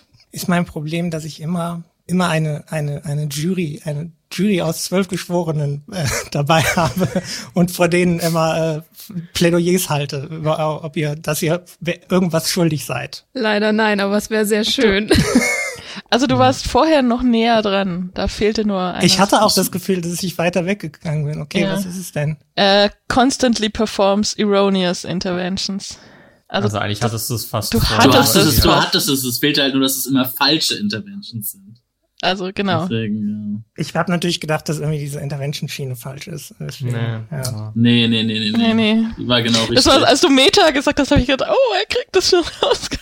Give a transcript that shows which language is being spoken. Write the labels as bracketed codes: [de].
[de] Ist mein Problem, dass ich immer eine Jury aus 12 Geschworenen dabei habe und vor denen immer Plädoyers halte, dass ihr irgendwas schuldig seid. Leider nein, aber es wäre sehr schön. Also du warst vorher noch näher dran, da fehlte nur ein. Ich hatte auch das Gefühl, dass ich weiter weggegangen bin. Okay, ja. Was ist es denn? [en] Constantly performs erroneous interventions. [de] Also eigentlich hattest du es fast. Du hattest es, fehlt halt nur, dass es immer falsche Interventions sind. Also genau. Deswegen, ja. Ich habe natürlich gedacht, dass irgendwie diese Intervention-Schiene falsch ist. Nee. War genau richtig. Das war, als du Meta gesagt hast, habe ich gedacht, oh, er kriegt das schon raus.